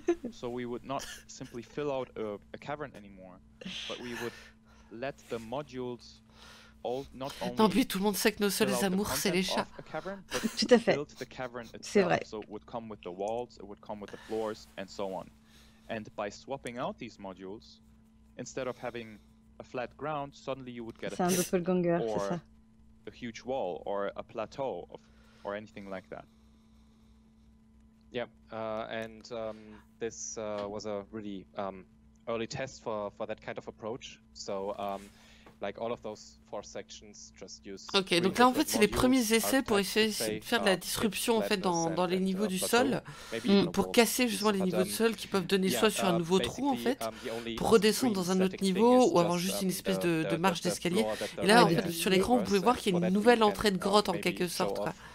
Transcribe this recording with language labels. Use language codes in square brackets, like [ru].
[en] So we would not simply fill out a cavern anymore, but we would let the modules. [fr] Tant pis, tout le monde sait que nos seuls amours, c'est les chats. [en] Cavern, [fr] tout à fait. C'est vrai. [en] So it would come with the walls, it would come with the floors, and so on. And by swapping out these modules, instead of having a flat ground, suddenly you would get a doppelganger, or a huge wall, or a plateau, of, or anything like that. Yeah, and this was a really early test for that kind of approach. So. Like all of those four sections, just use [fr] ok, donc là en fait c'est les premiers essais pour essayer de faire de la disruption en fait dans les niveaux du sol, pour casser justement les niveaux de sol qui peuvent donner soit sur un nouveau trou en fait, pour redescendre dans un autre niveau ou avoir juste une espèce de marche d'escalier. Et là en fait sur l'écran vous pouvez voir qu'il y a une nouvelle entrée de grotte en quelque sorte.